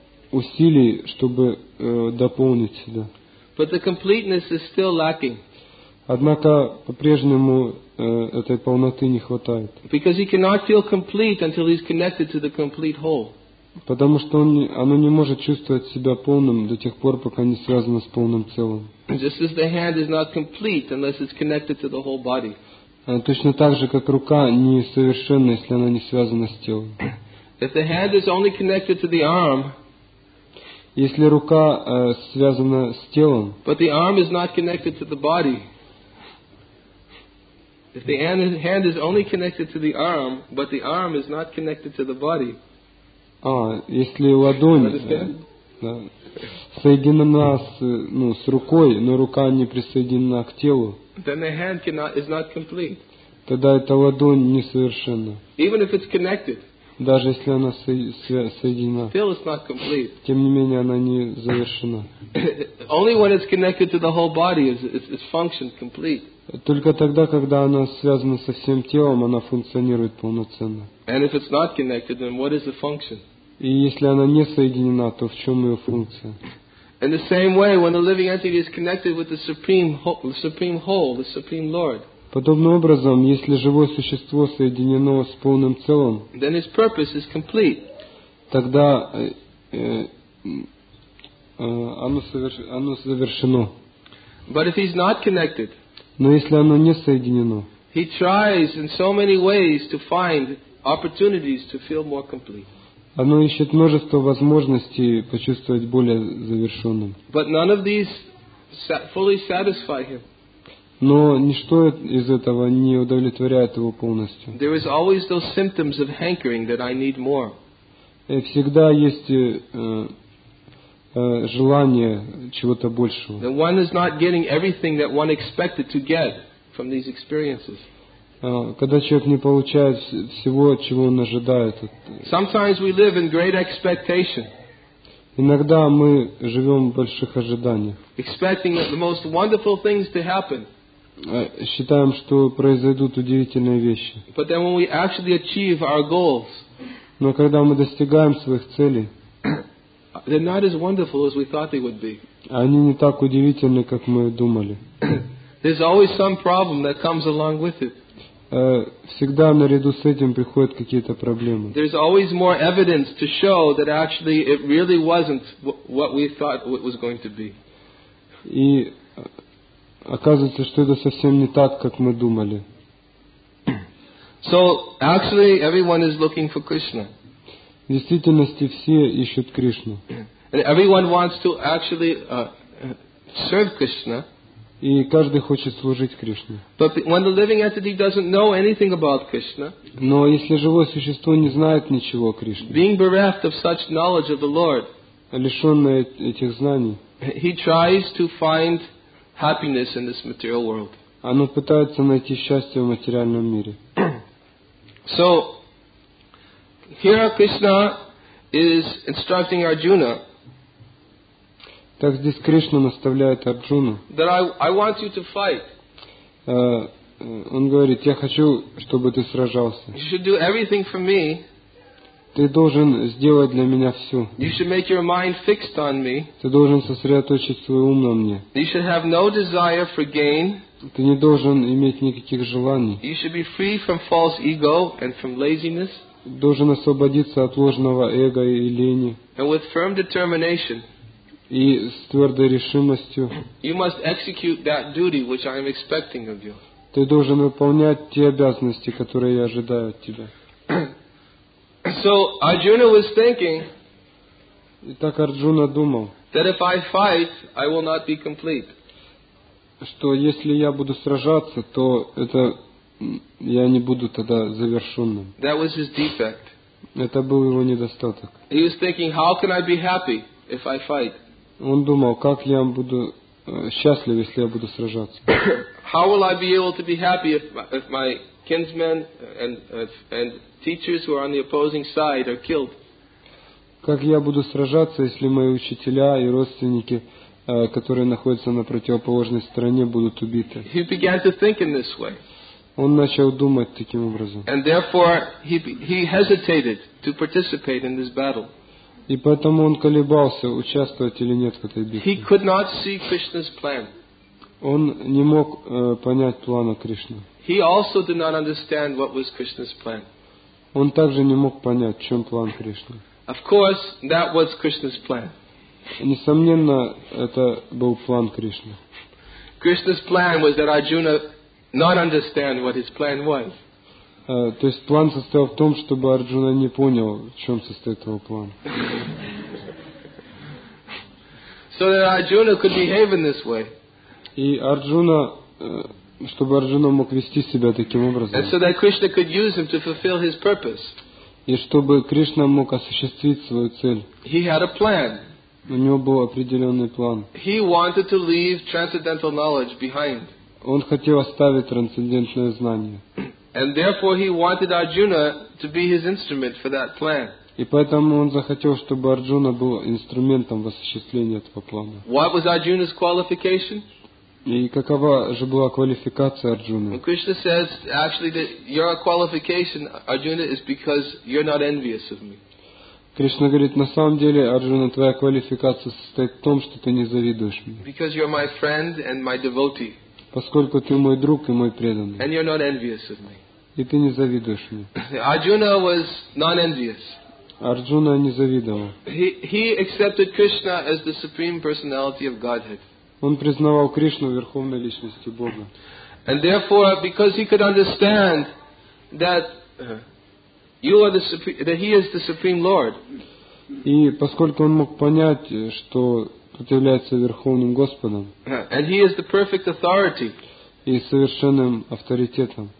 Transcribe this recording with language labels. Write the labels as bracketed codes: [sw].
[ru] Усилий, чтобы дополнить себя. [en] But the completeness is still lacking. [ru] Однако по-прежнему этой полноты не хватает. [en] Because he cannot feel complete until he's connected to the complete whole. [ru] Потому что оно не может чувствовать себя полным до тех пор, пока не связано с полным целым. [en] Just as the hand is not complete unless it's connected to the whole body. [ru] Точно так же, как рука не совершенна, если она не связана с телом. [en] If the hand is only connected to the arm. [ru] Если рука связана с телом. [en] But the arm is not connected to the body. If the hand is only connected to the arm, but the arm is not connected to the body. [ru] Если ладонь соединена с рукой, но рука не присоединена к телу, [en] then the hand is not complete. [ru] Тогда эта ладонь несовершенна. [en] Even if it's connected. [ru] Даже если она соединена. [en] Still it's not complete. [ru] Тем не менее, она не завершена. [en] Only when it's connected to the whole body is function complete. [ru] Только тогда, когда она связана со всем телом, она функционирует полноценно. [en] And if it's not connected, then what is the function? [ru] И если она не соединена, то в чем ее функция? [en] In the same way, when the living entity is connected with the supreme whole, the supreme Lord. [ru] Подобным образом, если живое существо соединено с полным целым, [en] then its purpose is complete. [ru] Тогда оно завершено. [en] But if he's not connected. [ru] Но если оно не соединено, [en] he tries in so many ways to find opportunities to feel more complete. [ru] Оно ищет множество возможностей почувствовать более завершенным. [en] But none of these fully satisfy him. [ru] Но ничто из этого не удовлетворяет его полностью. [en] There is always those symptoms of hankering that I need more. [ru] И всегда есть желание чего-то большего. [en] That one is not getting everything that one expected to get from these experiences. [ru] Когда человек не получает всего, чего он ожидает. [en] Sometimes we live in great expectation. [ru] Иногда мы живем в больших ожиданиях. [en] Expecting the most wonderful things to happen. [ru] Считаем, что произойдут удивительные вещи. [en] But then when we actually achieve our goals. [ru] Но когда мы достигаем своих целей. [en] They're not as wonderful as we thought they would be. [ru] Они не так удивительны, как мы думали. [en] There's always some problem that comes along with it. [ru] Всегда наряду с этим приходят какие-то проблемы. [en] There's always more evidence to show that actually it really wasn't what we thought it was going to be. [ru] И оказывается, что это совсем не так, как мы думали. [en] So actually, everyone is looking for Krishna. [ru] В действительности все ищут Кришну. [en] And everyone wants to actually serve Krishna. [ru] И каждый хочет служить Кришне. [en] But when the living entity doesn't know anything about Krishna. [ru] Но если живое существо не знает ничего о Кришне. [en] Being bereft of such knowledge of the Lord. [ru] Лишённое этих знаний. [en] He tries to find happiness in this material world. [ru] Оно пытается найти счастье в материальном мире. [en] So here Krishna is instructing Arjuna. [ru] Так здесь Кришна наставляет Арджуну. [en] That I want you to fight. [ru] Он говорит, я хочу, чтобы ты сражался. [en] You should do everything for me. [ru] Ты должен сделать для меня всё. [en] You should make your mind fixed on me. [ru] Ты должен сосредоточить свой ум на мне. [en] You should have no desire for gain. [ru] Ты не должен иметь никаких желаний. [en] You should be free from false ego and from laziness. [ru] должен освободиться от ложного эго и лени. [en] And with firm determination, [ru] и с твердой решимостью, [en] you must execute that duty which I am expecting of you. [ru] Ты должен выполнять те обязанности, которые я ожидаю от тебя. [en] So Arjuna was thinking. [ru] Итак, Арджуна думал. [en] That if I fight, I will not be complete. [ru] Что если я буду сражаться, то это я не буду тогда завершенным. [en] That was his defect. [ru] Это был его недостаток. [en] He was thinking, how can I be happy if I fight? [ru] Он думал, как я буду счастлив, если я буду сражаться. [en] How will I be able to be happy if my kinsmen and teachers who are on the opposing side are killed? [ru] Как я буду сражаться, если мои учителя и родственники, которые находятся на противоположной стороне, будут убиты? [en] He began to think in this way. [ru] Он начал думать таким образом. [en] And therefore he hesitated to participate in this battle. [ru] И поэтому он колебался, участвовать или нет в этой битве. [en] He could not see Krishna's plan. [ru] Он не мог понять плана Кришны. [en] He also did not understand what was Krishna's plan. [ru] Он также не мог понять, в чем план Кришны. [en] Of course, that was Krishna's plan. [ru] Несомненно, это был план Кришны. [en] Krishna's plan was that Arjuna not understand what his plan was. [ru] То есть план состоял в том, чтобы Арджуна не понял, в чем состоит его план. [en] So that Arjuna could behave in this way. [ru] И Арджуна, чтобы Арджуна мог вести себя таким образом. [en] And so that Krishna could use him to fulfill his purpose. [ru] И чтобы Кришна мог осуществить свою цель. [en] He had a plan. [ru] У него был определенный план. [en] He wanted to leave transcendental knowledge behind. [ru] Он хотел оставить трансцендентное знание. [en] And therefore he wanted Arjuna to be his instrument for that plan. [ru] И поэтому он захотел, чтобы Арджуна был инструментом в осуществлении этого плана. [en] What was Arjuna's qualification? [ru] И какова же была квалификация Арджуны? [en] Well, Krishna says actually that your qualification, Arjuna, is because you're not envious of me. [ru] Кришна говорит, на самом деле, Арджуна, твоя квалификация состоит в том, что ты не завидуешь мне. [en] Because you're my friend and my devotee. [ru] Поскольку ты мой друг и мой преданный. [en] And you're not envious of me. [ru] И ты не завидуешь мне. [en] Arjuna was non-envious. [ru] Арджуна не завидовал. [en] He accepted Krishna as the supreme personality of Godhead. [ru] Он признавал Кришну верховной личностью Бога. [en] And therefore, because he could understand that you are the supreme, that he is the supreme Lord. [ru] И поскольку он мог понять, что Тот является Верховным Господом. [en] And he is the perfect authority. [ru] И совершенным авторитетом.